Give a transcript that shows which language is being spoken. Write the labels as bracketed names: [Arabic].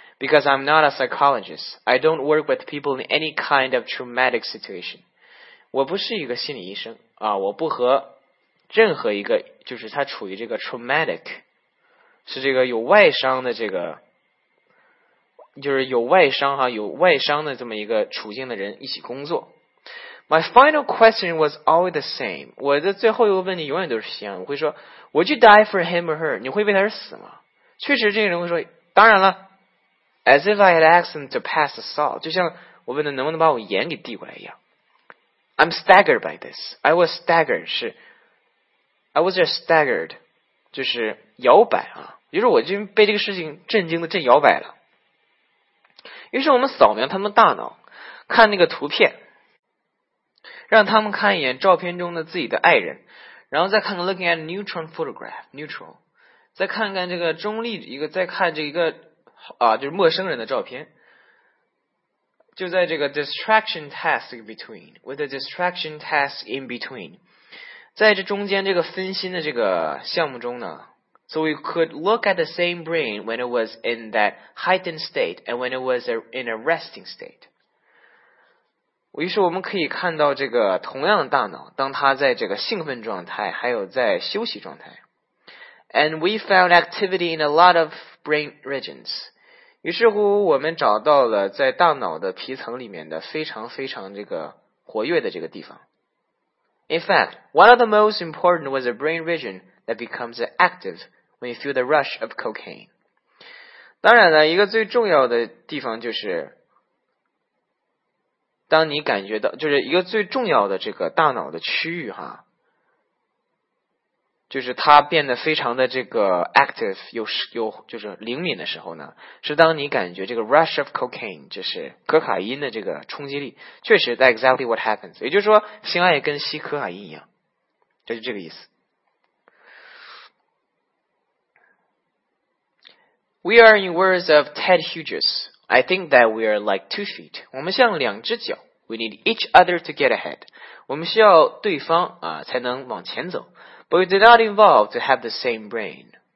[English] Because I'm not a psychologist. I don't work with people in any kind of traumatic situation. [Chinese] 我不是一个心理医生啊，我不和任何一个就是他处于这个 traumatic， 是这个有外伤的这个，就是有外伤哈，有外伤的这么一个处境的人一起工作。 [English] My final question was always the same. [Chinese] 我的最后一个问题永远都是一样，我会说 [English] Would you die for him or her? [Chinese] 你会为他而死吗？确实这个人会说当然了。 [English] As if I had asked him to pass the salt. [Chinese] 就像我问他能不能把我盐给递过来一样。 [English] I'm staggered by this. I was staggered. 是 I was just staggered. [Chinese] 就是摇摆啊，就是我就被这个事情震惊的震摇摆了。于是我们扫描他们大脑，看那个图片，让他们看一眼照片中的自己的爱人，然后再看看 [English] looking at neutron photograph neutral， [Chinese] 再看看这个中立一个，再看这个啊，就是陌生人的照片，就在这个 [English] distraction task in between with the distraction task in between， [Chinese] 在这中间这个分心的这个项目中呢， [English] so we could look at the same brain when it was in that heightened state and when it was in a resting state。 [Chinese] 于是我们可以看到这个同样的大脑，当它在这个兴奋状态，还有在休息状态。 [English] And we found activity in a lot of brain regions. [Chinese] 于是乎我们找到了在大脑的皮层里面的非常非常这个活跃的这个地方。 [English] In fact, one of the most important was a brain region that becomes active when you feel the rush of cocaine. [Chinese] 当然了，一个最重要的地方就是当你感觉到就是一个最重要的这个大脑的区域哈，就是它变得非常的这个 active, 有就是灵敏的时候呢，是当你感觉这个 [English] rush of cocaine, [Chinese] 就是可卡因的这个冲击力，确实 [English] that's exactly what happens, [Chinese] 也就是说性爱跟吸可卡因一样，这就是这个意思。 [English] We are in words of Ted Hughes, I think that we are like 2 feet, [Chinese] 我们像两只脚， [English] we need each other to get ahead, [Chinese] 我们需要对方啊才能往前走。 [English] But we do not involve to have the same brain.